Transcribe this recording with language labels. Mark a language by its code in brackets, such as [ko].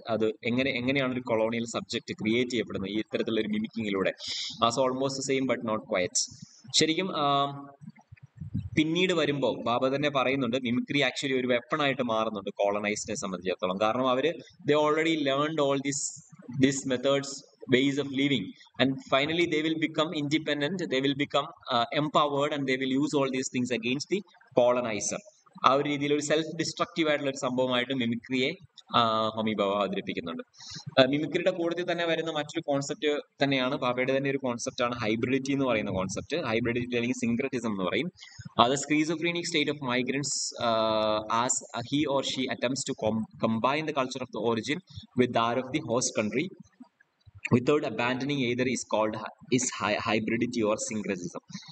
[ml] അത് എങ്ങനെയാണ് ഒരു കൊളോണിയൽ സബ്ജക്ട് ക്രിയേറ്റ് ചെയ്യപ്പെടുന്നത് ഈ ഇത്തരത്തിലുള്ള ഒരു മിമിക്കിങ്ങിലൂടെ. [en] As almost the same but not quite. [ml] ശരിക്കും പിന്നീട് വരുമ്പോൾ ബാബ തന്നെ പറയുന്നുണ്ട് മിമിക്രി ആക്ച്വലി ഒരു വെപ്പണായിട്ട് മാറുന്നുണ്ട് കോളനൈസ്ഡിനെ സംബന്ധിച്ചിടത്തോളം. കാരണം അവർ [en] They already learned all this methods ways of living and finally they will become independent, they will become empowered and they will use all these things against the colonizer. [ml] ആ ഒരു രീതിയിൽ ഒരു സെൽഫ് ഡിസ്ട്രക്റ്റീവ് ആയിട്ടുള്ള ഒരു സംഭവമായിട്ട് മിമിക്രിയെ ഹോമി ബാബ അവതരിപ്പിക്കുന്നുണ്ട്. മിമിക്രിയുടെ കൂടുതൽ തന്നെ വരുന്ന മറ്റൊരു കോൺസെപ്റ്റ് തന്നെയാണ് ബാബയുടെ തന്നെ ഒരു കോൺസെപ്റ്റാണ് ഹൈബ്രിഡിറ്റി എന്ന് പറയുന്ന കോൺസെപ്റ്റ്. ഹൈബ്രിഡിറ്റി അല്ലെങ്കിൽ സിങ്ക്രറ്റിസം എന്ന് പറയും. അത് [en] Schizophrenic state of migrants as he or she attempts to combine the culture of the origin with that of the host country without abandoning either is called is hybridity or syncretism.